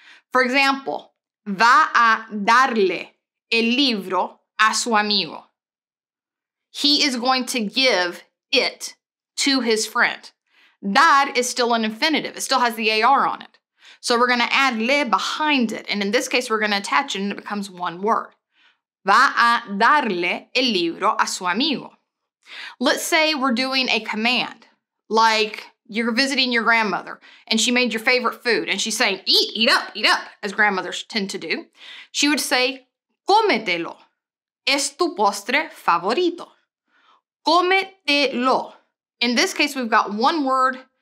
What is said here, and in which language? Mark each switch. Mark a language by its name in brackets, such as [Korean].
[English] For example, [Spanish] va a darle el libro a su amigo. [English] He is going to give it to his friend. Dar is still an infinitive. It still has the AR on it. So we're going to add le behind it. And in this case, we're going to attach it and it becomes one word. [Spanish] Va a darle el libro a su amigo. [English] Let's say we're doing a command, like you're visiting your grandmother and she made your favorite food and she's saying, eat up, as grandmothers tend to do. She would say, [Spanish] cómetelo. Es tu postre favorito. [English] Cómetelo. In this case, we've got one word.